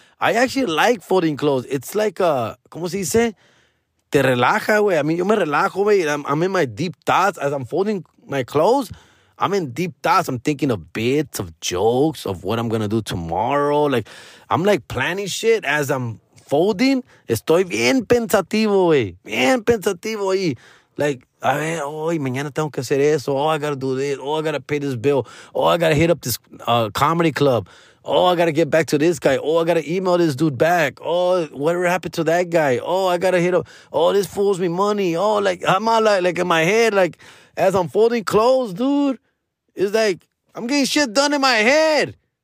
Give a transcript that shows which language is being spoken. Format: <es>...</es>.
<en>I actually like folding clothes. It's like a,</en> <es>¿cómo se dice? Te relaja, güey.</es> <en>I mean,</en> <es>yo me relajo, güey.</es> <en>I'm in my deep thoughts as I'm folding my clothes. I'm in deep thoughts. I'm thinking of bits, of jokes, of what I'm going to do tomorrow. Like, I'm like planning shit as I'm folding.</en> <es>Estoy bien pensativo, güey. Bien pensativo ahí.</es> <en>Like,</en> <es>a ver, hoy, mañana tengo que hacer eso.</es> <en>Oh, I got to do this. Oh, I got to pay this bill. Oh, I got to hit up this comedy club. Oh, I got to get back to this guy. Oh, I got to email this dude back. Oh, whatever happened to that guy? Oh, I got to hit up. Oh, this fools me money. Oh, like, I'm all like in my head, like, as I'm folding clothes, dude, it's like, I'm getting shit done in my head.</en>